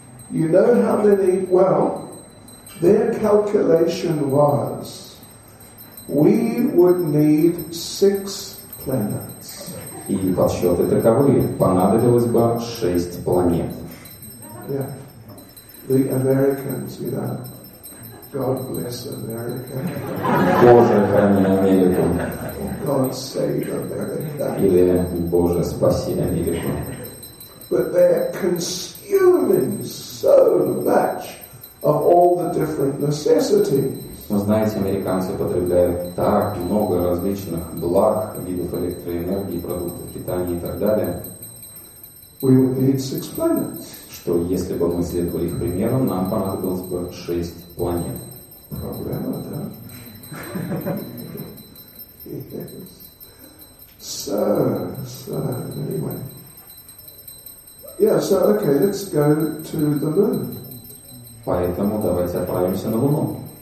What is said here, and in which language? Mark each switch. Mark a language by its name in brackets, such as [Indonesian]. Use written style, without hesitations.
[English] You know how many, well, their calculation was, we would need 6 planets. [Russian] И подсчеты таковы, понадобилось бы 6 планет. [English] Yeah. The Americans, you know, God bless America. [Russian] Боже, храни Америку. [English] God save America. [Russian] Или, Боже, спаси Америку. [English] But they're consuming so much of all the different necessities. [Russian] Но знаете, американцы потребляют так много различных благ, видов электроэнергии, продуктов питания и так далее. [English] We would need 6 planets. [Russian] Что если бы мы следовали их примеру, нам понадобилось бы 6 планет. Проблема, да? [English] Yes. So, anyway. Yeah, so, okay, let's go to the moon. [Russian] Поэтому давайте отправимся на Луну.